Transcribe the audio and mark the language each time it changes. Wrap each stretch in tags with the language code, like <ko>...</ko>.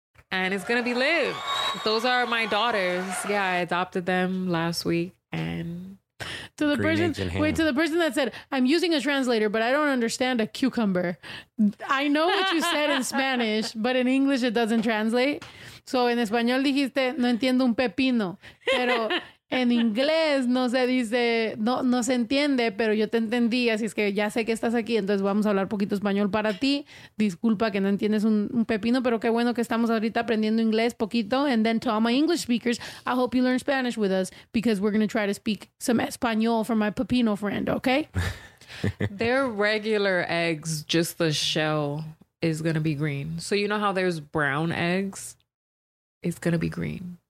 <en>And it's going to be Liv. Those are my daughters. Yeah, I adopted them last week. And to the green person, wait, to the person that said, I'm using a translator, but I don't understand a cucumber. I know what you said in Spanish, but in English, it doesn't translate.</en> <es>So en español dijiste, no entiendo un pepino. Pero en inglés no se dice, no se entiende, pero yo te entendí. Así es que ya sé que estás aquí, entonces vamos a hablar poquito español para ti. Disculpa que no entiendes un pepino, pero qué bueno que estamos ahorita aprendiendo inglés poquito.</es> <en>And then to all my English speakers, I hope you learn Spanish with us because we're going to try to speak some español for my pepino friend, okay? Their regular eggs, just the shell, is going to be green. So you know how there's brown eggs? It's going to be green.</en>